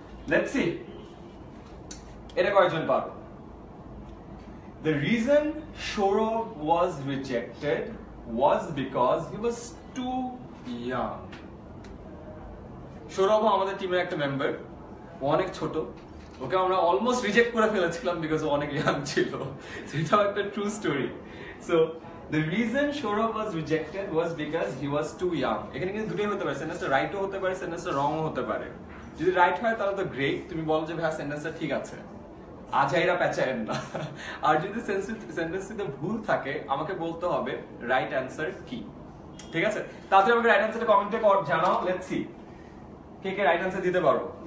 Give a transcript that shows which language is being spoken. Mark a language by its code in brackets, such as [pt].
[en] let's see, [bn] এটা কয়েকজন পাবে। [en] The reason Sourav was rejected was because he was too young. [bn] Sourav আমাদের টিমের একটা মেম্বার, অনেক ছোট, ওকে আমরা অলমোস্ট রিজেক্ট করে ফেলেছিলাম বিকজ ও অনেক ইয়াং ছিল। সেটাও একটা true story. [en] So the reason Shorab was rejected was because he was too young. [bn] এখানে কিন্তু দুটোই হতে পারে, সেন্টেন্সটা রাইট হতে পারে, সেন্টেন্সটা রং হতে পারে। যদি রাইট হয় তাহলে তো গ্রেট, তুমি বলো যে ভাই সেন্টেন্সটা ঠিক আছে, আজাইরা পেঁচায়েন না। আর যদি সেন্টেন্সটিতে ভুল থাকে আমাকে বলতে হবে রাইট অ্যান্সার কি, ঠিক আছে? তাহলে আমাকে রাইট অ্যান্সারটা কমেন্টে কর জানাও। [en] let's see [bn] K K right answer দিতে পারো।